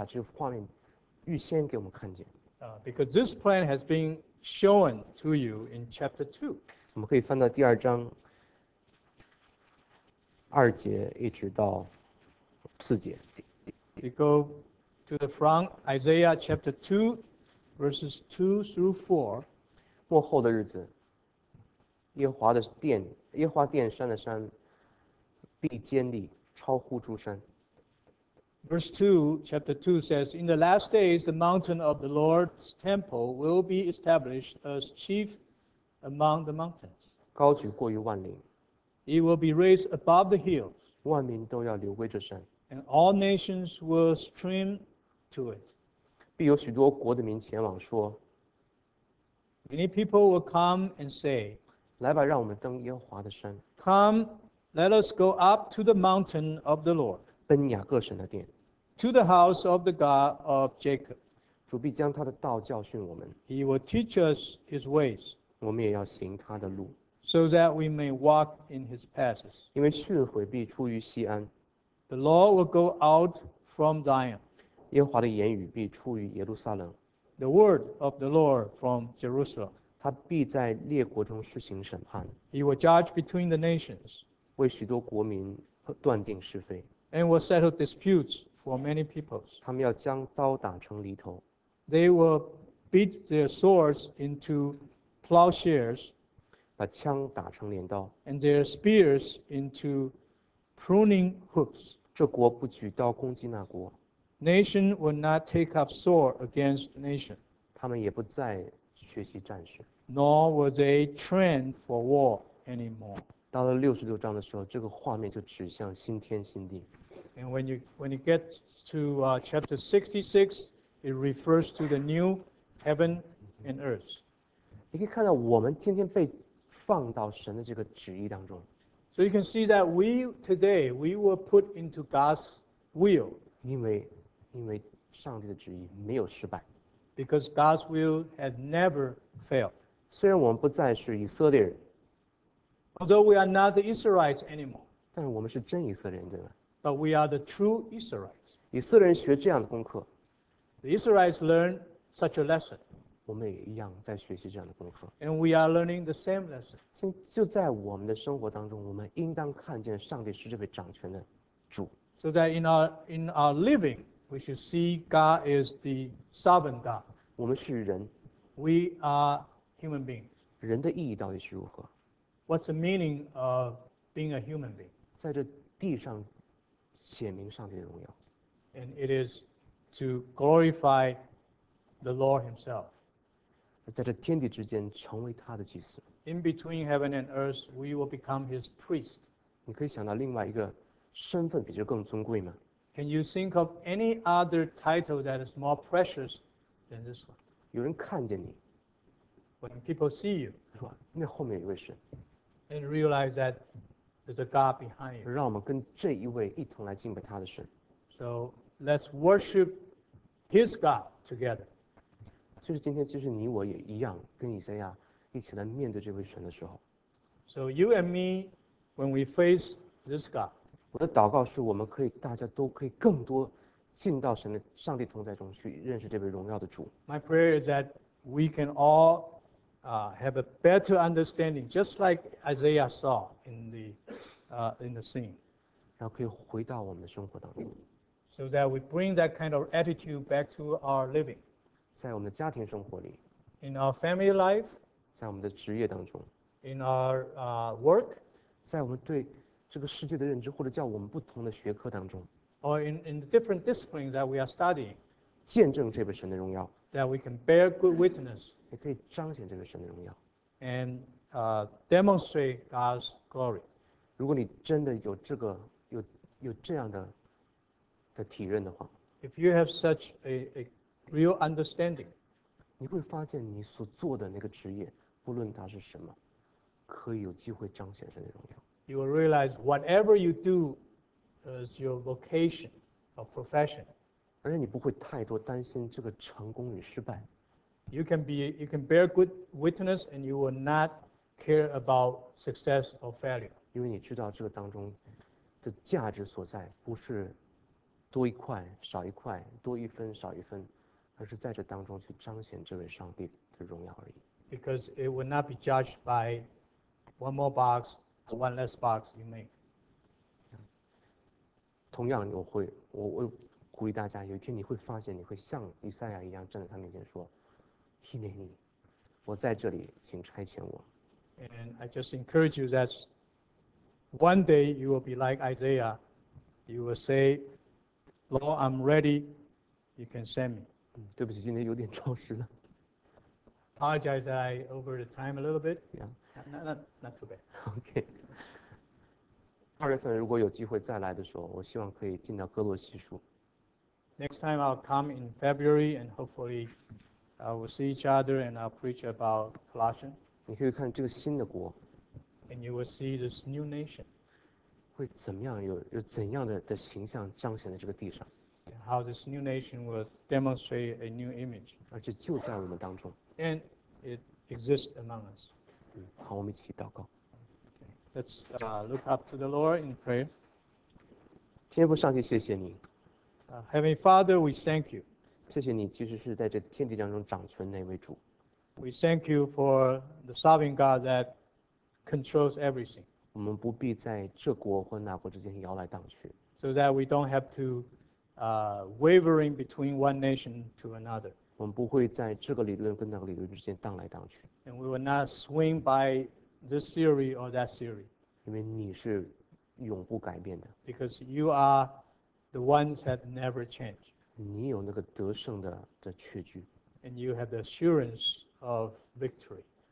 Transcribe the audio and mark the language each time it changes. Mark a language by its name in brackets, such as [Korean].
[Chinese] 然后其实这不只是只有到了40章之后，在第二章的时候已经把这个画面预先给我们看见。 [English] Because this plan has been shown to you in chapter 2. [Chinese] 我们可以翻到第二章二节一直到四节。 [English] We go to the front, Isaiah chapter 2, verses 2 through 4. [Chinese] 末后的日子，耶和华殿山的山必坚立，超乎诸山。 [English] Verse 2, chapter 2 says, In the last days, the mountain of the Lord's temple will be established as chief among the mountains. [Chinese] 高举过于万岭。It [English] will be raised above the hills. [Chinese] 万民都要流归这山。 [English] And all nations will stream to it. [Chinese] 必有许多国的民前往说, [English] Many people will come and say, [Chinese] 来吧,让我们登耶和华的山, [English] Come, let us go up to the mountain of the Lord, [Chinese] 奔雅各神的殿, [English] to the house of the God of Jacob. [Chinese] 主必将他的道教训我们, [English] He will teach us his ways, [Chinese] 我们也要行他的路, [English] so that we may walk in his paths. [Chinese] 因为训诲必出于锡安, [English] The law will go out from Zion. [Chinese] 耶和华的言语必出于耶路撒冷。 [English] the word of the Lord from Jerusalem. [Chinese] 他必在列国中施行审判。 [English] He will judge between the nations. [Chinese] 为许多国民断定是非。 [English] And will settle disputes for many peoples. [Chinese] 他们要将刀打成犁头。 [English] They will beat their swords into plowshares. [Chinese] 把枪打成镰刀。 [English] And their spears into pruning hooks. [Chinese] 这国不举刀攻击那国。 [English] Nation will not take up sword against nation. [Chinese] 他们也不再学习战士。 [English] Nor will they train for war anymore. [Chinese] 到了六十六章的时候，这个画面就指向新天新地。 [English] And when you get to chapter 66, it refers to the new heaven and earth. [Chinese] 你可以看到我们今天被放到神的这个旨意当中。 [English] So you can see that we were put into God's will. [Chinese] 因为上帝的旨意没有失败。 [English] Because God's will had never failed. [Chinese] 虽然我们不再是以色列人。 [English] Although we are not the Israelites anymore. [Chinese] 但是我们是真以色列人，对吧？ [English] But we are the true Israelites. [Chinese] 以色列人学这样的功课。 [English] The Israelites learn such a lesson. [Chinese] 我们也一样在学习这样的功课。 [English] And we are learning the same lesson. [Chinese] 就在我们的生活当中，我们应当看见上帝是这位掌权的主。 [English] So that in our living, we should see God is the sovereign God. [Chinese] 我们是人。 [English] We are human beings. [Chinese] 人的意义到底是如何？ [English] What's the meaning of being a human being? [Chinese] 在这地上显明上帝的荣耀。 [English] And it is to glorify the Lord himself. [Chinese] 在这天地之间成为他的祭司。 [English] In between heaven and earth, we will become his priest. [Chinese] 你可以想到另外一个身份比这更尊贵吗？ [English] Can you think of any other title that is more precious than this one? [Chinese] 有人看见你。 [English] When people see you, [Chinese] 说那后面有一位神。 [English] And realize that there's a God behind you. [Chinese] 让我们跟这一位一同来敬拜他的神。 [English] So let's worship his God together. [Chinese] 就是今天，就是你我也一样，跟以赛亚一起来面对这位神的时候。 [English] So you and me, when we face this God. [Chinese] 我的祷告是我们可以大家都可以更多进到神的上帝同在中去认识这位荣耀的主。 [English] My prayer is that we can all have a better understanding, just like Isaiah saw in the scene. [Chinese] 然后可以回到我们的生活当中。 [English] So that we bring that kind of attitude back to our living. [Chinese] 在我们的家庭生活里。 [English] In our family life. [Chinese] 在我们的职业当中。 [English] In our work. [Chinese] 在我们对这个世界的认知，或者叫我们不同的学科当中。 [English] Or in the different disciplines that we are studying. [Chinese] 见证这位神的荣耀。 [English] That we can bear good witness. [Chinese] 也可以彰显这位神的荣耀。 [English] And demonstrate God's glory. [Chinese] 如果你真的有这个，有这样的体认的话。 [English] If you have such a real understanding. [Chinese] 你会发现你所做的那个职业，不论它是什么，可以有机会彰显神的荣耀。 [English] You will realize whatever you do is your vocation or profession. [Chinese] 而且你不会太多担心这个成功与失败。 [English] You can be, you can bear good witness and you will not care about success or failure. [Chinese] 因为你知道这个当中的价值所在，不是多一块少一块，多一分少一分，而是在这当中去彰显这位上帝的荣耀而已。 [English] Because it will not be judged by one more box. One less box you make. [Chinese] 同样，我鼓励大家，有一天你会发现，你会像以赛亚一样站在他面前说 ，Hineni， 我在这里，请差遣我。 [English] And I just encourage you that one day you will be like Isaiah. You will say, "Lord, I'm ready. You can send me." [Chinese] 对不起，今天有点超时了。 [English] Apologize that I over the time a little bit. Yeah. Not too bad. [Chinese] Okay. 二月份如果有机会再来的时候，我希望可以进到哥罗西书。 [English] Next time I'll come in February, and hopefully, we'll see each other, and I'll preach about Colossians. [Chinese] 你可以看这个新的国。 [English] And you will see this new nation. [Chinese] 会怎么样？有怎样的形象彰显在这个地上 [English] ？How this new nation will demonstrate a new image? [Chinese] 而且就在我们当中。 [English] And it exists among us. [Chinese] 好，我们一起祷告。 [English] Let's look up to the Lord in prayer. [Chinese] 天父上帝，谢谢你。 [English] Heavenly Father, we thank you. [Chinese] 谢谢你，其实是在这天地当中掌权那位主。 [English] We thank you for the sovereign God that controls everything. [Chinese] 我们不必在这国或那国之间摇来荡去。 [English] So that we don't have to, wavering between one nation to another. [Chinese] 我们不会在这个理论跟那个理论之间荡来荡去。 [English] And we will not swing by this theory or that theory. [Chinese] 因为你是永不改变的。 [English] Because you are the ones that never change. [Chinese] 你有那个得胜的确据。 [English] And you have the assurance of victory.